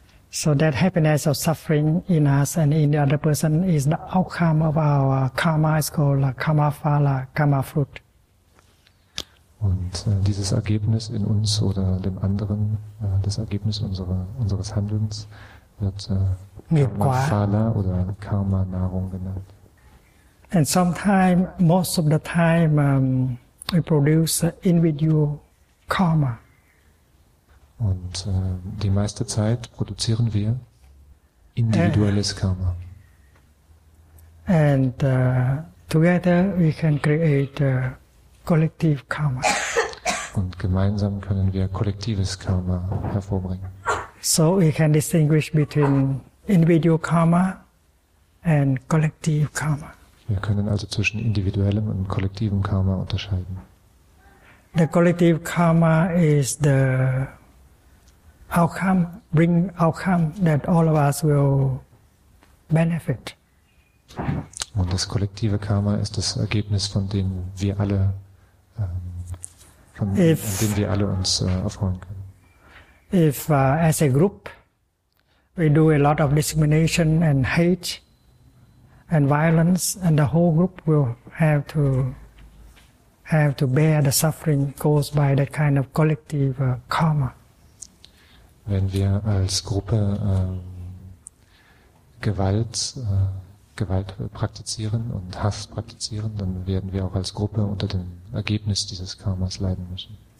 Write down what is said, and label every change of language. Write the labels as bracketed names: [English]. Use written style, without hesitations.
[English] So that happiness or suffering in us and in the other person is the outcome of our karma, is called karma phala, karma fruit. [German] Und dieses Ergebnis in uns oder dem anderen, das Ergebnis unseres Handelns, wird Karma-Phala oder Karma-Nahrung genannt. [English] And sometimes, most of the time, we produce individual karma. [German] Und die meiste Zeit produzieren wir individuelles Karma. [English] And together we can create collective karma. [German] Und gemeinsam können wir kollektives Karma hervorbringen. [English] So we can distinguish between individual karma and collective karma. [German] Wir können also zwischen individuellem und kollektivem Karma unterscheiden. [English] The collective karma is the outcome that all of us will benefit. [German] Und das kollektive Karma ist das Ergebnis, von dem wir alle erfreuen können. [English] If as a group we do a lot of discrimination and hate and violence, and the whole group will have to bear the suffering caused by that kind of collective karma. [German] Wenn wir als Gruppe Gewalt praktizieren und Hass praktizieren, dann werden wir auch als Gruppe unter dem Ergebnis dieses Karmas leiden müssen.